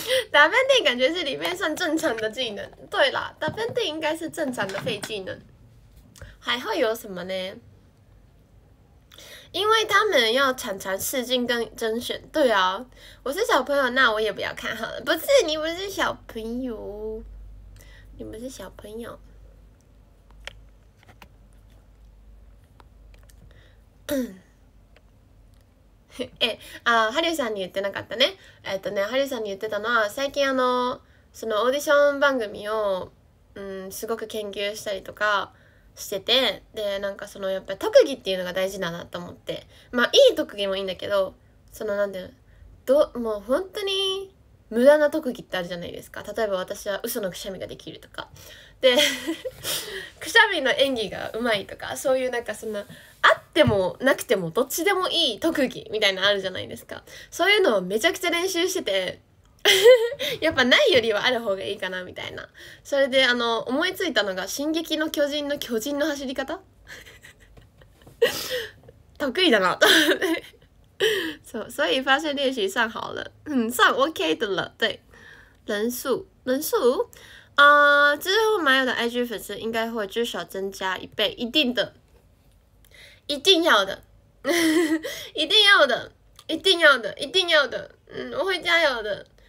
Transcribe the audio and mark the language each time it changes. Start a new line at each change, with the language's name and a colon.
Chinese: 打喷嚏感觉是里面算正常的技能。对啦，打喷嚏应该是正常的废技能。还会有什么呢？因为他们要常常试镜跟甄选。对啊，我是小朋友，那我也不要看好了。不是，你不是小朋友。你们是小朋友，
Japanese: ハリューさんに言ってなかったね。ハリューさんに言ってたのは、最近そのオーディション番組を、すごく研究したりとかしてて、で、なんかそのやっぱり特技っていうのが大事だなと思って、まあいい特技もいいんだけど、そのなんていうの、もう本当に。無駄な特技ってあるじゃないですか。例えば私は嘘のくしゃみができるとか。で、くしゃみの演技がうまいとか、そういうなんかそんな、あってもなくてもどっちでもいい特技みたいなのあるじゃないですか。そういうのをめちゃくちゃ練習してて、やっぱないよりはある方がいいかなみたいな。それで思いついたのが、進撃の巨人の巨人の走り方 得意だなと。
Chinese: 所以发现练习算好了，算 OK 的了。对，人数啊，之后马友的 IG 粉丝应该会至少增加一倍，一定的，一定要的，一定要的，一定要的，一定要的。我会加油的。